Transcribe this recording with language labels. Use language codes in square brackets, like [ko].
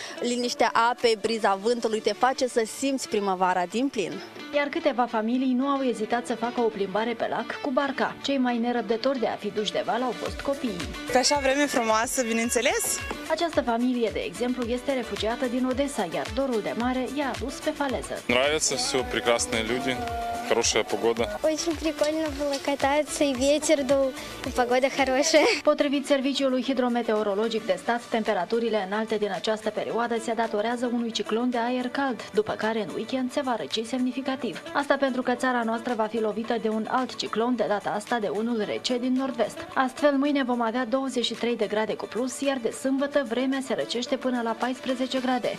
[ro] Liniștea apei, briza vântului te face să simți primăvara din plin. Iar câteva familii nu au ezitat să facă o plimbare pe lac cu barca. Cei mai nerăbdători de a fi duși de val au fost copiii. Pe așa vreme frumoasă, bineînțeles? Această familie, de exemplu, este refugiată din Odessa, iar dorul de mare i-a adus pe faleză. [ru] Нравится все, прекрасные люди, хорошая погода. Очень прикольно было кататься, и ветер дул, и погода хорошая. [ro] Potrivit serviciului hidrometeorologic de stat, temperaturile înalte din această perioadă se datorează unui ciclon de aer cald, după care în weekend se va răci semnificativ. Asta pentru că țara noastră va fi lovită de un alt ciclon, de data asta de unul rece din nord-vest. Astfel, mâine vom avea 23 de grade cu plus, iar de sâmbătă vremea se răcește până la 14 grade.